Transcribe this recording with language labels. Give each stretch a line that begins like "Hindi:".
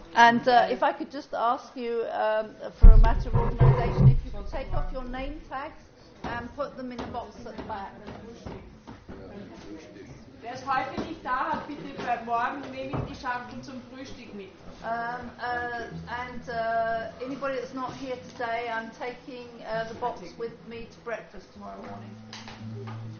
English: And if I could just ask you for a matter of organization, if you could take off your name tags and put them in a box at the back.
German: Wer es heute nicht da hat, bitte bei morgen nehme ich die Schachteln zum Frühstück mit.
English: Anybody that's not here today, I'm taking the box with me to breakfast tomorrow morning.